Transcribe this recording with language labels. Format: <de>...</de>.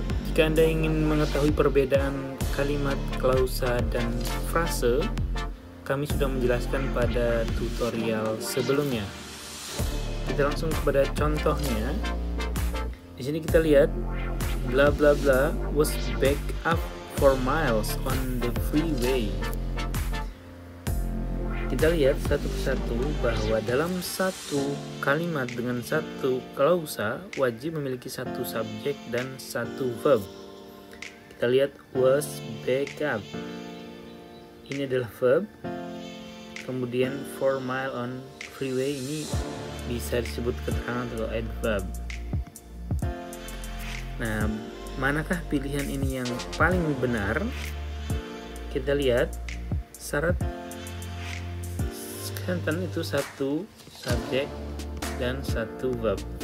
<id>Jika Anda ingin mengetahui perbedaan kalimat, klausa, dan frase, kami sudah menjelaskan pada tutorial sebelumnya. Kita langsung kepada contohnya. Di sini kita lihat,</id> <en>bla bla bla was backed up for miles on the freeway.</en> <id>Kita lihat satu persatu bahwa dalam satu kalimat dengan satu klausa wajib memiliki satu subjek dan satu verb. Kita lihat</id> <en>was backed up.</en> <id>Ini adalah verb. Kemudian</id> <en>4 mile on freeway</en> <id>ini bisa disebut keterangan atau adverb. Nah, manakah pilihan ini yang paling benar? Kita lihat syarat sentence itu satu subjek dan satu verb.</id>